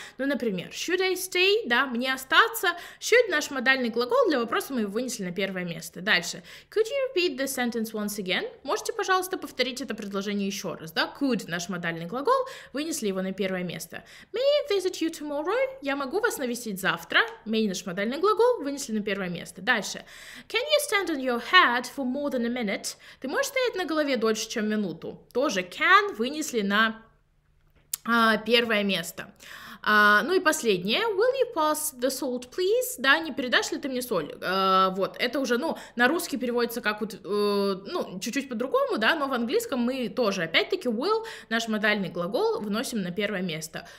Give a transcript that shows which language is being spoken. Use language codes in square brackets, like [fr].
[ru] Ну, например, [en] should I stay, [ru] да, мне остаться. Should наш модальный глагол для вопроса мы вынесли на первое место. Дальше. [en] Could you repeat the sentence once again? [ru] Можете, пожалуйста, повторить это предложение еще раз, да, could, наш модальный глагол, вынесли его на первое место. [en] May I visit you tomorrow? [ru] Я могу вас навестить завтра. May, наш модальный глагол, вынесли на первое место. Дальше. [en] Can you stand on your head for more than a minute? [ru] Ты можешь стоять на голове дольше, чем минуту? Тоже can вынесли на первое место. Ну и последнее. [en] Will you pass the salt, please? [ru] Да, не передашь ли ты мне соль? Вот, это уже, ну, на русский переводится как вот, ну, чуть-чуть по-другому, да, но в английском мы тоже, опять-таки, will, наш модальный глагол, вносим на первое место.